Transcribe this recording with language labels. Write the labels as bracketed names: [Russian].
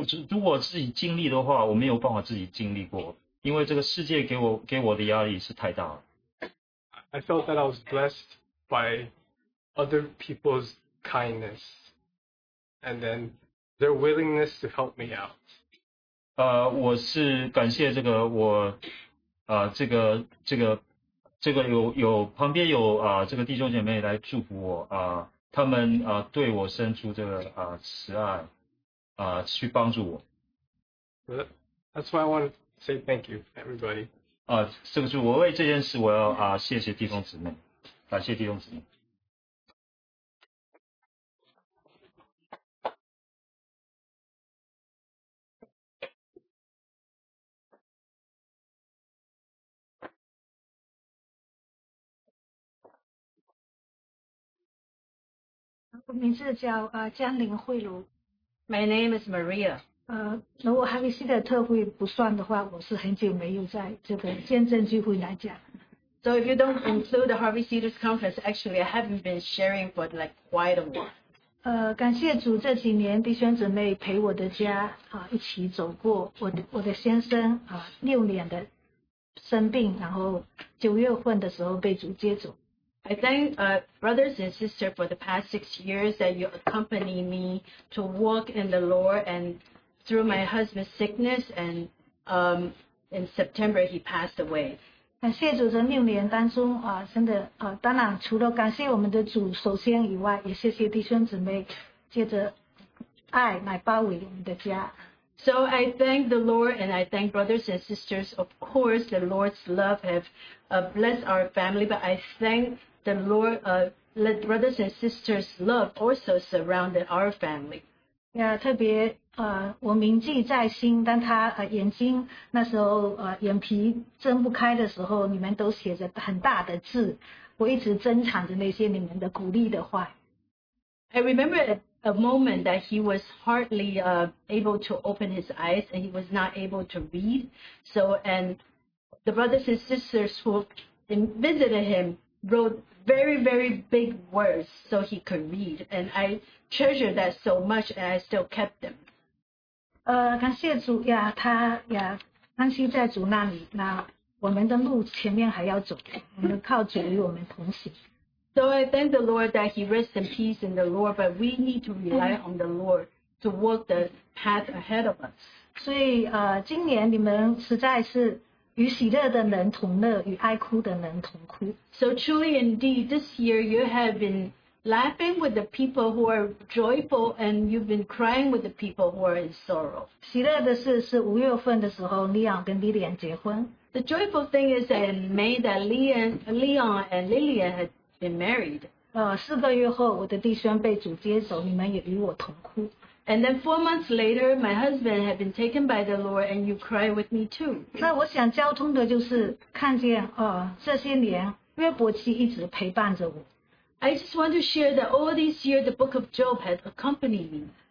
[Chinese] 如果自己经历的话，我没有办法自己经历过。因为这个世界给我的压力是太大了。 [English] I felt that I was blessed by other people's kindness, and then their willingness to help me out. [Chinese] 我是感谢这个我，这个有旁边有这个弟兄姐妹来祝福我他们对我伸出这个慈爱去帮助我。 [English] That's why I want. Say thank you, everybody. [Chinese] 这个是我为这件事，我要谢谢弟兄姊妹，感谢弟兄姊妹。我名字叫江林慧茹。 [English] My name is Maria. [Chinese] 如果哈维西的特会不算的话，我是很久没有在这个见证聚会来讲。 [English] So if you don't include the Harvey Cedars Conference, actually I haven't been sharing for like quite a while. [Chinese] 感谢主这几年弟兄姊妹陪我的家一起走过我的先生六年的生病，然后九月份的时候被主接走。 [English] I thank brothers and sisters for the past 6 years that you accompany me to walk in the Lord and through my husband's sickness and in September he passed away. [Chinese] 感谢主这六年当中真的当然除了感谢我们的主首先以外，也谢谢弟兄姊妹借着爱来包围我们的家。 [English] So I thank the Lord and I thank brothers and sisters. Of course, the Lord's love have blessed our family, but I thank the Lord, let brothers and sisters' love also surrounded our family. [Chinese] Yeah, 特别我铭记在心，当他眼睛那时候眼皮睁不开的时候，你们都写着很大的字，我一直珍藏着那些你们的鼓励的话。 [English] I remember a moment that he was hardly able to open his eyes and he was not able to read. So, and the brothers and sisters who visited him wrote very, very big words so he could read. And I treasure that so much and I still kept them. [Chinese] 感谢主呀，他呀，安息在主那里，那我们的路前面还要走，我们靠主与我们同行。 [English] So I thank the Lord that he rests in peace in the Lord, but we need to rely on the Lord to walk the path ahead of us. [Chinese] 所以, 今年你们实在是 与喜乐的人同乐，与爱哭的人同哭。 [English] So truly indeed, this year you have been laughing with the people who are joyful, and you've been crying with the people who are in sorrow. [Chinese] 喜乐的事是5月份的时候 Leon跟Lillian结婚。 [English] The joyful thing is that in May that Leon and Lillian had been married. [Chinese] 4个月后我的弟兄被主接走，你们也与我同哭。 [English] And then 4 months later, my husband had been taken by the Lord, and you cry with me too. [Chinese] 那我想交通的就是看见，这些年约伯记一直陪伴着我。 [English] I just want to share that all these years, the book of Job had accompanied me.